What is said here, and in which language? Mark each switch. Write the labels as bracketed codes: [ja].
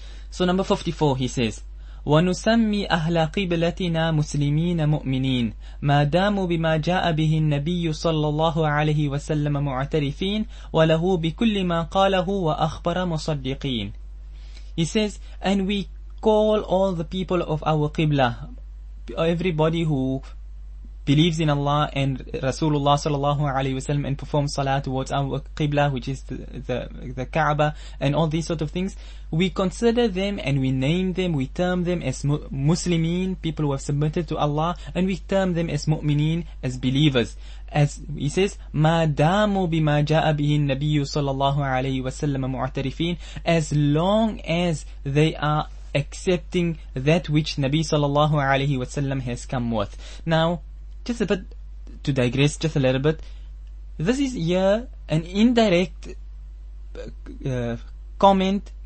[en] So number 54, he says, [ar] وَنُسَمِّي أَهْلَ قِبْلَتِنَا مُسْلِمِينَ مُؤْمِنِينَ مَا دَامُوا بِمَا جَاءَ بِهِ النَّبِيُّ صَلَّى اللَّهُ عَلَيْهِ وَسَلَّمَ مُعْتَرِفِينَ وَلَهُ بِكُلِّ مَا قَالَهُ وَأَخْبَرَ مُصَدِّقِينَ. [en] He says, and we call all the people of our Qibla, everybody who believes in Allah and Rasulullah sallallahu alayhi wasallam and performs salah towards our Qibla, which is the Kaaba, and all these sort of things. We consider them and we name them, we term them as Muslimin, people who have submitted to Allah, and we term them as Mu'mineen, as believers. As he says, [ar] مَا دَامُوا بِمَا جَاءَ بِهِ النَّبِيُّ sallallahu alayhi wasallam مُعْتَرِفِينَ. [en] As long as they are accepting that which Nabi sallallahu alayhi wasallam has come with. Now, just a bit, to digress just a little bit, this is here an indirect comment.